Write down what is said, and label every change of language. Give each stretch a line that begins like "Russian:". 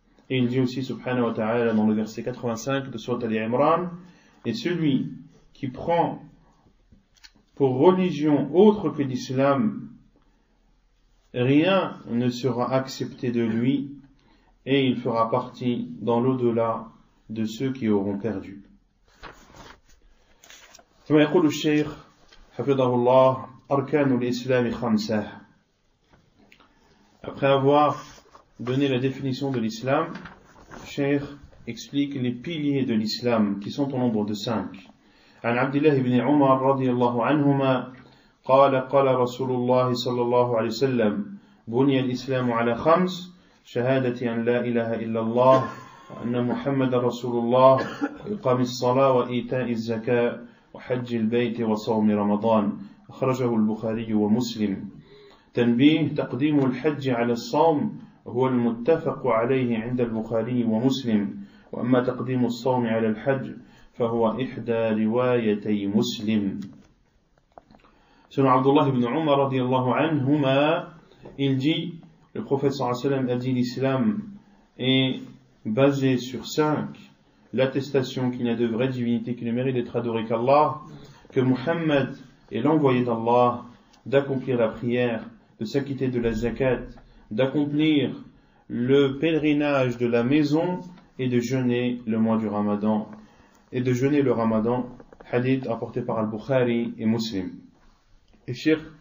French: Et il dit aussi, subhanahu wa ta'ala, dans le verset 85 de Sourate Ali Imran, et celui qui prend pour religion autre que l'islam, rien ne sera accepté de lui et il fera partie dans l'au-delà de ceux qui auront perdu.
Arabic: ثم يقول الشيخ حفظه الله أركان الإسلام خمسة.
French: Après avoir donné la définition de l'islam, Cheikh explique les piliers de l'islam qui sont au nombre de 5.
Arabic: عن عبد الله بن عمر رضي الله عنهما قال قال رسول الله صلى الله عليه وسلم بني الإسلام على 5: شهادة أن لا إله إلا الله وأن محمد رسول الله وإقام الصلاة وإيتاء الزكاة وحج البيت وصوم رمضان. أخرجه البخاري ومسلم. تنبيه: تقديم الحج على الصوم هو المتفق عليه عند البخاري ومسلم، وأما تقديم الصوم على الحج فهو إحدى روايتي مسلم.
French: Selon Abdullah ibn Umar radiallahu anhuma, il dit, le prophète sallallahu alayhi wa sallam a dit, l'islam est basé sur 5: l'attestation qu'il n'y a de vraie divinité qui ne mérite d'être adoré qu'Allah, que Muhammad est l'envoyé d'Allah, d'accomplir la prière, de s'acquitter de la zakat, d'accomplir le pèlerinage de la maison et de jeûner le mois du Ramadan, et de jeûner le Ramadan, hadith apporté par Al-Bukhari et Muslim. Et Cheikh